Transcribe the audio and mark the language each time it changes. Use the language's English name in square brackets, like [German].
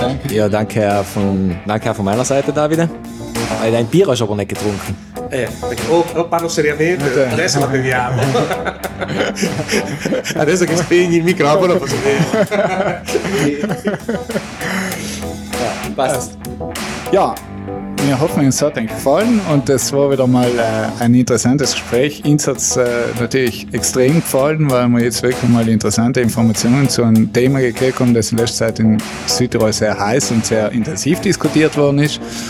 [German] Ja, danke auch von meiner Seite, Davide. Hai dein Bier hast du aber nicht getrunken. [Italian] Parlo seriamente, okay. Adesso la beviamo. Adesso che spegni il microfono posso bere. [German] Ja, wir hoffen, es hat euch gefallen, und es war wieder mal ein interessantes Gespräch. Uns hat es natürlich extrem gefallen, weil wir jetzt wirklich mal interessante Informationen zu einem Thema gekriegt haben, das in letzter Zeit in Südtirol sehr heiß und sehr intensiv diskutiert worden ist.